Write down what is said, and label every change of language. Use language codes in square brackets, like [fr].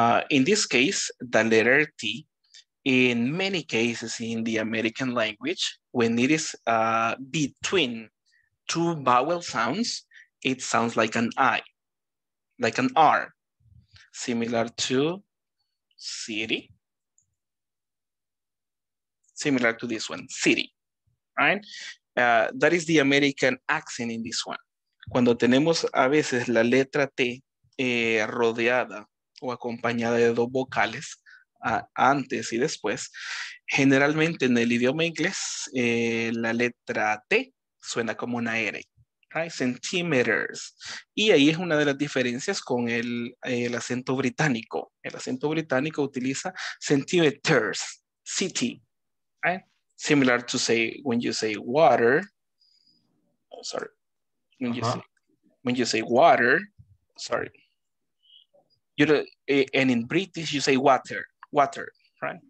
[en] In this case, the letter T, in many cases in the American language, when it is between two vowel sounds, it sounds like an I, like an R, similar to city, similar to this one, city, right? That is the American accent in this one. [es] Cuando tenemos a veces la letra T rodeada o acompañada de dos vocales, antes y después, generalmente en el idioma inglés, la letra T suena como una R, right? Centimeters. Y ahí es una de las diferencias con el acento británico. El acento británico utiliza centimeters, city, right? [en] Similar to say, when you say water, and in British you say water, right?